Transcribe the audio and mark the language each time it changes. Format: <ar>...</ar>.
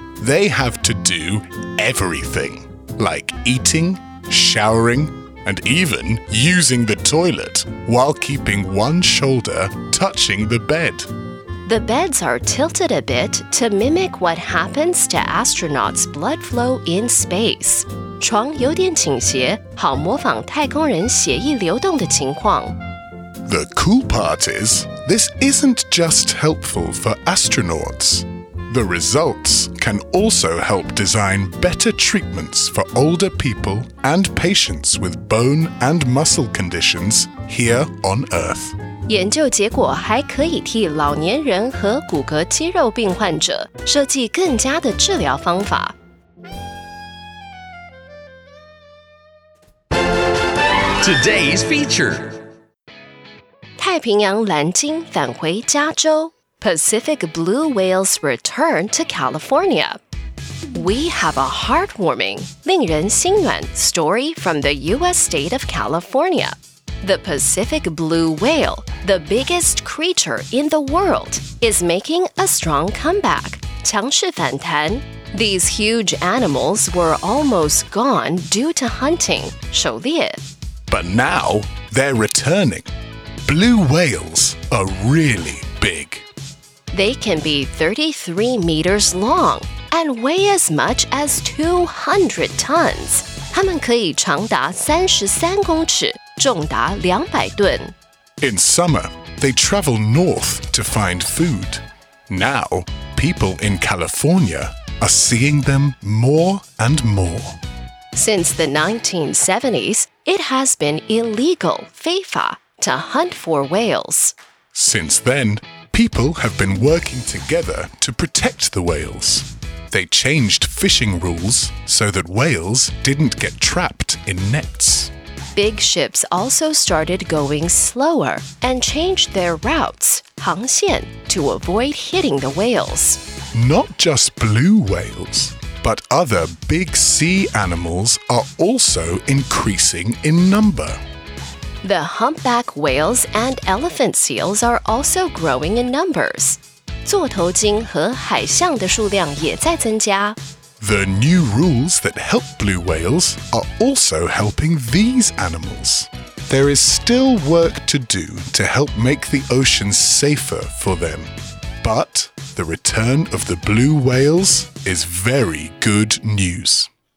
<en>They have to do everything, like eating, showering, and even using the toilet, while keeping one shoulder touching the bed. The beds are tilted a bit to mimic what happens to astronauts' blood flow in space.</en> <zh>床有点倾斜，好模仿太空人血液流动的情况。</zh> <en>The cool part is, this isn't just helpful for astronauts. The results can also help design better treatments for older people and patients with bone and muscle conditions here on Earth.</en> <zh>研究结果还可以替老年人和骨骼肌肉病患者设计更佳的治疗方法。</zh> <en>Today's feature:</en> <zh>太平洋蓝鲸返回加州</zh> <en>，Pacific blue whales return to California. We have a heartwarming, 令人心暖 story from the U.S. state of California. The Pacific blue whale, the biggest creature in the world, is making a strong comeback, 强势反弹. These huge animals were almost gone due to hunting, 狩猎. But now, they're returning. Blue whales are really big. They can be 33 meters long and weigh as much as 200 tons.</en> <zh>它们可以长达33公尺，重达200吨。</zh> <en>In summer, they travel north to find food. Now, people in California are seeing them more and more. Since the 1970s, it has been illegal, 非法, to hunt for whales. Since then, people have been working together to protect the whales. They changed fishing rules so that whales didn't get trapped in nets. Big ships also started going slower and changed their routes, 航线, to avoid hitting the whales. Not just blue whales, but other big sea animals are also increasing in number. The humpback whales and elephant seals are also growing in numbers.</en> <zh>座头鲸和海象的数量也在增加。</zh> <en>The new rules that help blue whales are also helping these animals. There is still work to do to help make the ocean safer for them. But the return of the blue whales is very good news.</en>